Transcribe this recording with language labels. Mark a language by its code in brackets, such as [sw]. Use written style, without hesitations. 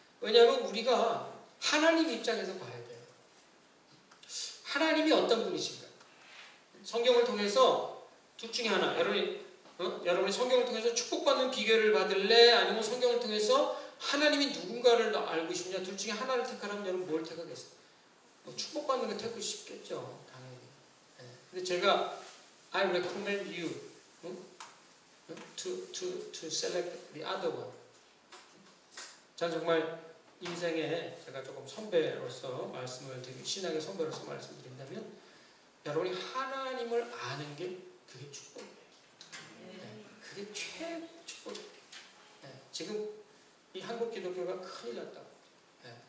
[ko] 왜냐하면 우리가 하나님 입장에서 봐야 돼요. 하나님이 어떤 분이신가? 성경을 통해서 둘 중에 하나, 여러분이 여러분이 성경을 통해서 축복받는 비결을 받을래? 아니면 성경을 통해서 하나님이 누군가를 알고 싶냐? 둘 중에 하나를 택하라면 여러분 뭘 택하겠어요? 뭐 축복받는 걸 택하고 싶겠죠, 당연히. 네. 근데 제가 [en] I recommend you to select the other one. [ko] 전 정말 인생에 제가 조금 선배로서 말씀을 드리고 신앙의 선배로서 말씀드린다면 여러분이 하나님을 아는 게 그게 축복이에요. 네. 그게 최고 축복이에요. 네. 지금 이 한국 기독교가 큰일 났다고. 네.